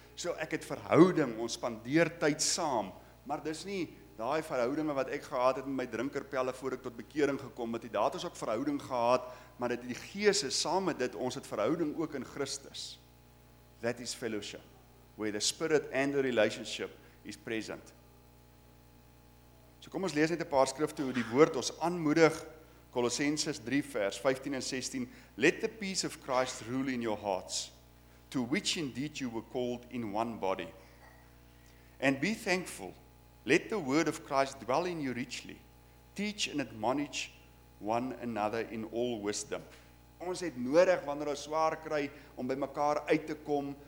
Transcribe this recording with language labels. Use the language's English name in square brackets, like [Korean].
[Afrikaans] So ek het verhouding, ons spandeer tyd saam, maar dis nie daai verhoudinge wat ek gehad het met my drinkerpelle voor ek tot bekering gekom het. Die daad is ook verhouding gehad, maar dit die Gees is saam met dit, ons het verhouding ook in Christus. [English] That is fellowship, where the spirit and the relationship is present. [Afrikaans] So kom ons lees net 'n paar skrifte hoe die woord ons aanmoedig. Kolossense 3 vers 15 en 16. [English] Let the peace of Christ rule in your hearts, to which indeed you were called in one body. And be thankful. Let the word of Christ dwell in you richly. Teach and admonish one another in all wisdom. [Afrikaans] Ons het nodig wanneer ons swaar kry om by mekaar uit te kom.